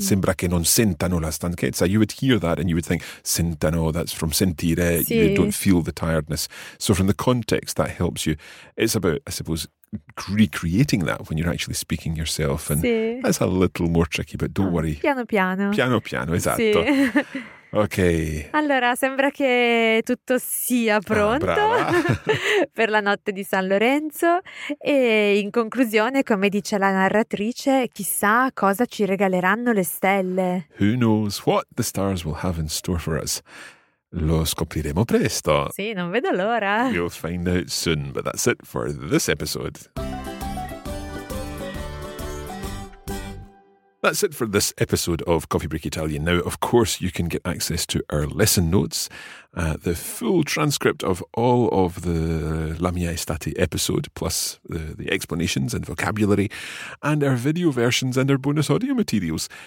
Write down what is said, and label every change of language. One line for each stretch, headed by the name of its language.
Italian: Sembra che non sentano la stanchezza.
English: You would hear that and you would think, sentano, that's from sentire. Sì. You don't feel the tiredness. So from the context, that helps you. It's about, I suppose, recreating that when you're actually speaking yourself. And sì. That's a little more tricky, but don't worry.
Italian: Piano piano. Piano piano, esatto. Sì. Ok. Allora, sembra che tutto sia pronto per la notte di San Lorenzo. E in conclusione, come dice la narratrice, chissà cosa ci regaleranno le stelle.
English: Who knows what the stars will have in store for us?
Italian: Lo scopriremo presto. Sì, non vedo l'ora.
English: You'll find out soon, but that's it for this episode. That's it for this episode of Coffee Break Italian. Now, of course, you can get access to our lesson notes, the full transcript of all of the La Mia Estate episode, plus the explanations and vocabulary, and our video versions and our bonus audio materials.